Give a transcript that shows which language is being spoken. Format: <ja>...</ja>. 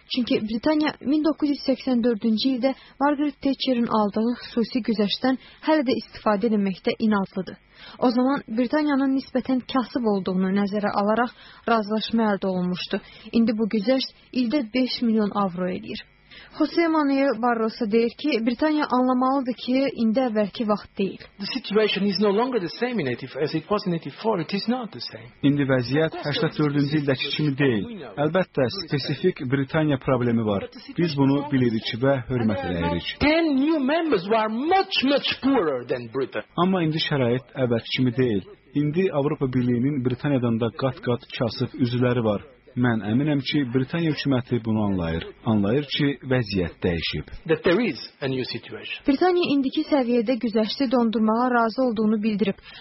<az>Çünki Britaniya 1984-cü ildə Margaret Thatcher'in aldığı xüsusi güzəştən hələ də istifadə etməkdə inatlıdır. O zaman Britaniyanın nisbətən kasıb olduğunu nəzərə alaraq razılaşma əldə olunmuşdu. İndi bu güzəşt ildə 5 milyon avro edir. José Manuel Barroso deyir ki, Britaniya anlamalıdır ki, indi əvvəlki vaxt deyil.</az> <en>The situation is no longer the same in 84 as it was in 84. It is not the same.</en> <az>İndi vəziyyət 84-cü ildəki kimi deyil. Əlbəttə, spesifik Britaniya problemi var. Biz bunu bilirik və hörmət edirik.</az> <en>10 new members were much much poorer than Britain.</en> <az>Amma indi şərait əvvəlki kimi deyil. İndi Avropa Birliyinin Britaniyadan da qat-qat kasıb üzvləri var. Mən əminəm ki, Britaniya hökuməti bunu anlayır. Anlayır ki, vəziyyət dəyişib. Britaniya indiki səviyyədə güzəşti dondurmağa razı olduğunu bildirib.</az>